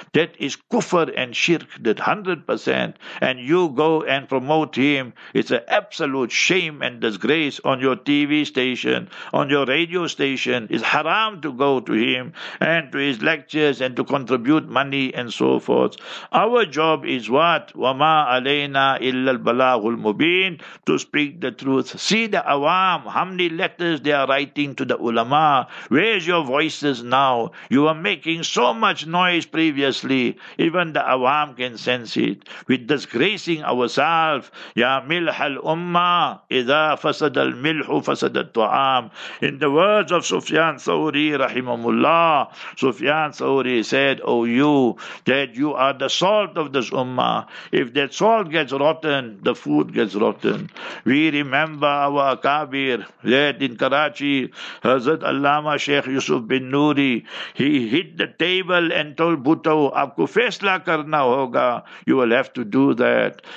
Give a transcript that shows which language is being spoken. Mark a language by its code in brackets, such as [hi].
[en] That is kufr and shirk, that 100%. And you go and promote him, it's an absolute shame and disgrace on your TV station, on your radio station. It's haram to go to him and to his lectures and to contribute money and so forth. Our job is what? [ar] وَمَا عَلَيْنَا إِلَّا الْبَلَاغُ الْمُبِينَ, [en] to speak the truth. See the awam, how many letters they are writing to the ulama. Where's your voices now? You are making so much noise previously. Even the awam can sense it. We're disgracing ourselves. [ar] يَا مِلْحَ الْأُمَّةِ إِذَا فَسَدَ الْمِلْحُ فَسَدَ الطُعَامِ. [en] In the words of Sufyan Thawri rahimahullah, Sufyan Thawri said, oh you, that you are the salt of this ummah. If that salt gets rotten, the food gets rotten. We remember our akabir that in Karachi, Hazrat Allama Sheikh Yusuf bin Nuri, he hit the table and told Bhutto, [ur] aapko faisla karna hoga, [en] you will have to do that.